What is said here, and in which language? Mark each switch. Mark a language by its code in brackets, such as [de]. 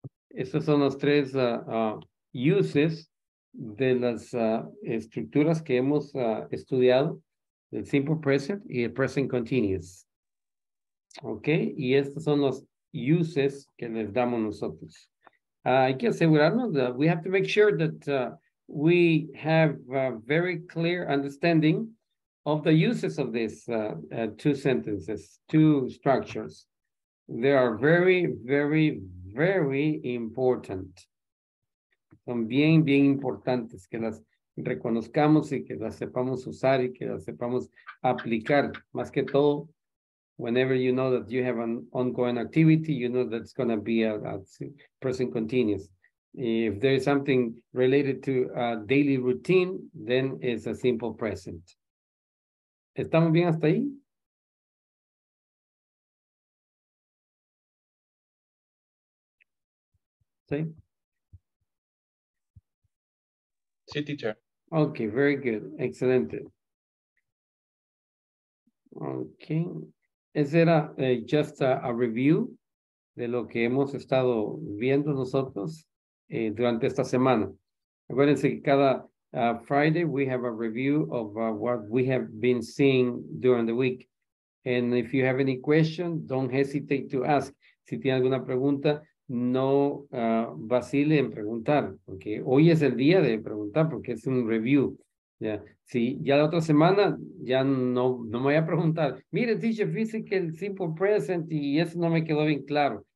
[es] Estos son los tres uses de las estructuras que hemos estudiado, el simple present y el present continuous. Okay, y estos son los uses que les damos nosotros. Hay que asegurarnos [en] that we have to make sure that we have a very clear understanding of the uses of these two sentences, two structures. They are very, very, very important. [es] Son bien, bien importantes que las reconozcamos y que las sepamos usar y que las sepamos aplicar. Más que todo, [en] whenever you know that you have an ongoing activity, you know that's going to be a present continuous. If there is something related to a daily routine, then it's a simple present. [es] ¿Estamos bien hasta ahí? Sí. Sí, teacher. [en] Okay, very good. Excellent. Okay. [es] Ese era [en] just a review [es] de lo que hemos estado viendo nosotros durante esta semana. Acuérdense que cada [en] Friday we have a review of what we have been seeing during the week. And if you have any question, don't hesitate to ask. [es] Si tiene alguna pregunta, no vacile en preguntar, porque hoy es el día de preguntar, porque es un review. Yeah. Si ya la otra semana, ya no me voy a preguntar, mire, teacher, fíjese que el simple present, y eso no me quedó bien claro.